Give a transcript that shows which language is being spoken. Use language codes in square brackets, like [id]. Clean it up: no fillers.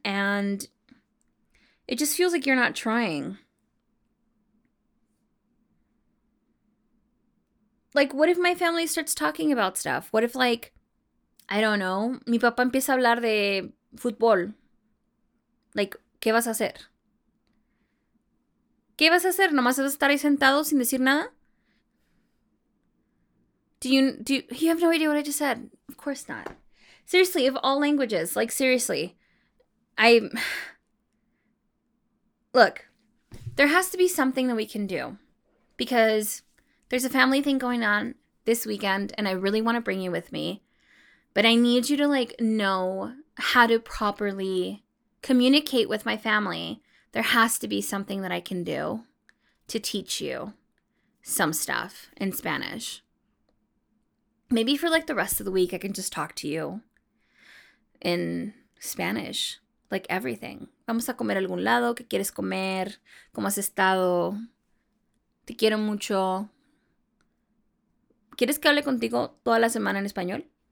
[en] And it just feels like you're not trying. Like, what if my family starts talking about stuff? What if, like, I don't know. [es] Mi papá empieza a hablar de fútbol. Like, ¿qué vas a hacer? ¿Qué vas a hacer? ¿Nomás vas a estar ahí sentado sin decir nada? [en] You have no idea what I just said. Of course not. Seriously, of all languages, like, seriously. Look, there has to be something that we can do because there's a family thing going on this weekend, and I really want to bring you with me. But I need you to like know how to properly communicate with my family. There has to be something that I can do to teach you some stuff in Spanish. Maybe for like the rest of the week, I can just talk to you in Spanish, like everything. [es] Vamos a comer a algún lado. ¿Qué quieres comer? ¿Cómo has estado? Te quiero mucho. ¿Quieres que hable contigo toda la semana en español?